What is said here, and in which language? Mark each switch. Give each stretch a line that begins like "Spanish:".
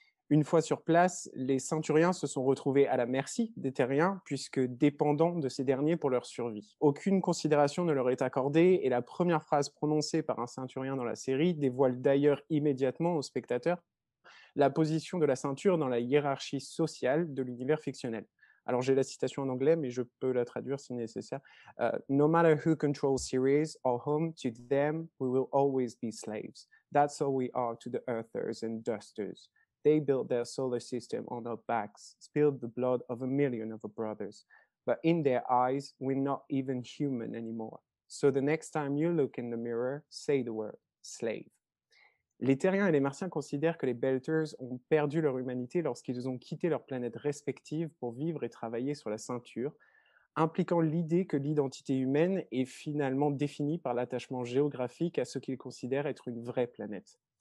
French: Une fois sur place, les ceinturiens se sont retrouvés à la merci des terriens, puisque dépendants de ces derniers pour leur survie. Aucune considération ne leur est accordée, et la première phrase prononcée par un ceinturien dans la série dévoile d'ailleurs immédiatement aux spectateurs la position de la ceinture dans la hiérarchie sociale de l'univers fictionnel. Alors j'ai la citation en anglais, mais je peux la traduire si nécessaire.
English: « No matter who controls Ceres or home, to them we will always be slaves. That's all we are to the earthers and dusters. » They built their solar system on our backs, spilled the blood of a million of our brothers. But in their eyes, we're not even human anymore. So the next time you look in the mirror, say the word, slave.
French: Les Terriens et les Martiens considèrent que les Belters ont perdu leur humanité lorsqu'ils ont quitté leur planète respective pour vivre et travailler sur la ceinture, impliquant l'idée que l'identité humaine est finalement définie par l'attachement géographique à ce qu'ils considèrent être une vraie planète.